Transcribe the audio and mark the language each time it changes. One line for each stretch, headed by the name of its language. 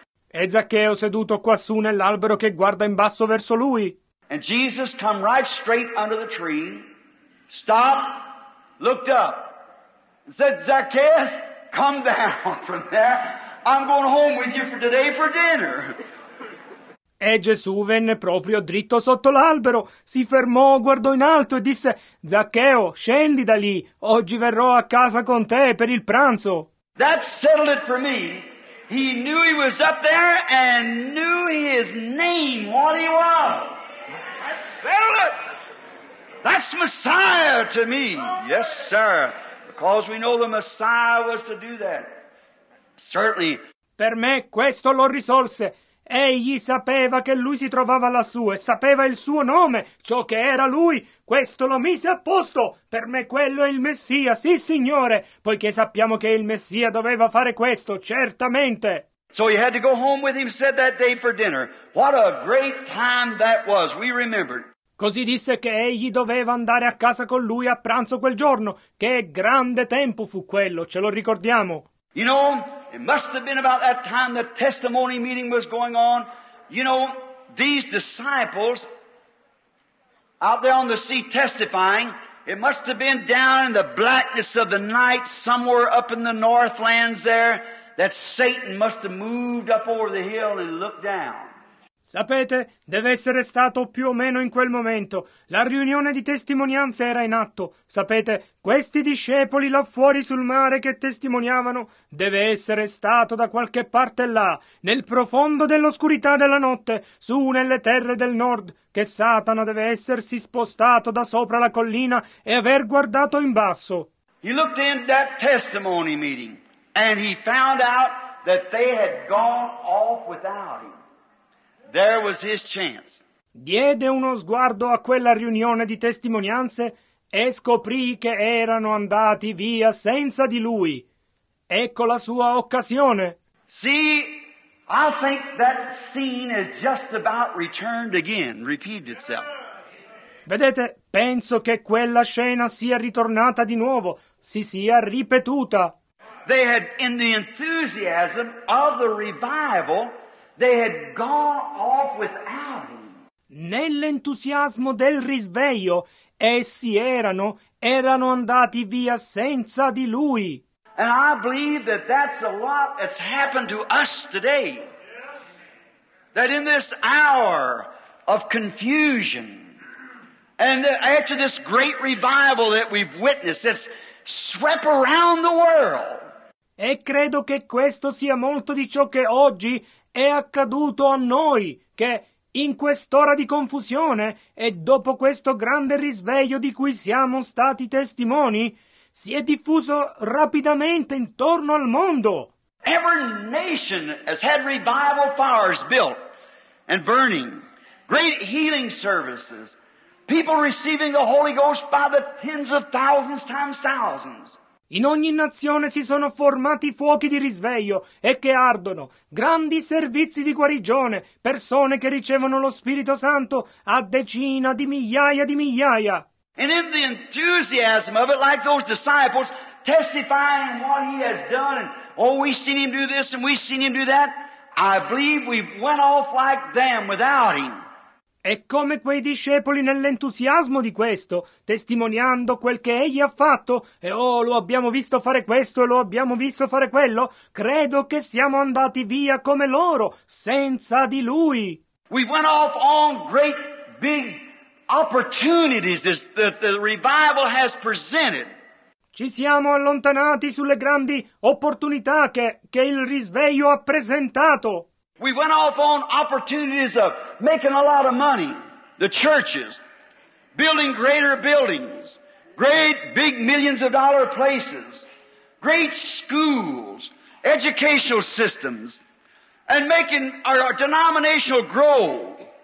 Italian: E Zaccheo seduto quassù nell'albero che guarda in basso verso lui.
English: And Jesus come right straight under the tree, stopped, looked up. Said, Zacchaeus, come down from there. I'm going home with you for today for dinner.
Italian: E Gesù venne proprio dritto sotto l'albero, si fermò, guardò in alto e disse, Zaccheo, scendi da lì, oggi verrò a casa con te per il pranzo.
English: That settled it for me. He knew he was up there and knew his name, what he was. That settled it. That's Messiah to me. Yes, sir. Because we know the Messiah was to do that. Certainly.
Italian: Per me questo lo risolse. Egli sapeva che lui si trovava lassù e sapeva il suo nome, ciò che era lui. Questo lo mise a posto. Per me quello è il Messia, sì signore, poiché sappiamo che il Messia doveva fare questo, certamente.
English: So he had to go home with him, said that day for dinner. What a great time that was, we remembered.
Italian: Così disse che egli doveva andare a casa con lui a pranzo quel giorno. Che grande tempo fu quello, ce lo ricordiamo.
English: You know, it must have been about that time the testimony meeting was going on. You know, these disciples out there on the sea testifying, it must have been down in the blackness of the night somewhere up in the northlands there that Satan must have moved up over the hill and looked down.
Italian: Sapete, deve essere stato più o meno in quel momento. La riunione di testimonianza era in atto. Sapete, questi discepoli là fuori sul mare che testimoniavano, deve essere stato da qualche parte là, nel profondo dell'oscurità della notte, su nelle terre del nord, che Satana deve essersi spostato da sopra la collina e aver guardato in basso.
English: He looked in that testimony meeting and he found out that they had gone off without him. There was his chance.
Italian: Diede uno sguardo a quella riunione di testimonianze e scoprì che erano andati via senza di lui. Ecco la sua occasione.
English: See, I think that scene is just about returned again, repeated itself.
Italian: Vedete, penso che quella scena sia ritornata di nuovo, si sia ripetuta.
English: They had, in the enthusiasm of the revival, they had gone off without him.
Italian: Nell'entusiasmo del risveglio, essi erano andati via senza di lui.
English: And I believe that that's a lot that's happened to us today. That in this hour of confusion, and after this great revival that we've witnessed, it's swept around the world.
Italian: E credo che questo sia molto di ciò che oggi è accaduto a noi, che in quest'ora di confusione e dopo questo grande risveglio di cui siamo stati testimoni, si è diffuso rapidamente intorno al mondo.
English: Every nation has had revival fires built and burning, great healing services, people receiving the Holy Ghost by the tens of thousands times thousands.
Italian: In ogni nazione si sono formati fuochi di risveglio e che ardono, grandi servizi di guarigione, persone che ricevono lo Spirito Santo a decina di migliaia di migliaia.
English: And in the enthusiasm of it, like those disciples testifying what he has done, and, oh, we've seen him do this and we've seen him do that, I believe we went off like them without him.
Italian: E come quei discepoli nell'entusiasmo di questo, testimoniando quel che egli ha fatto, e oh, lo abbiamo visto fare questo e lo abbiamo visto fare quello, credo che siamo andati via come loro, senza di lui.
English: We went off on great big opportunities that the revival has presented.
Italian: Ci siamo allontanati sulle grandi opportunità che il risveglio ha presentato.
English: We went off on opportunities of making a lot of money, the churches, building greater buildings, great big millions of dollar places, great schools, educational systems, and making our denominational grow.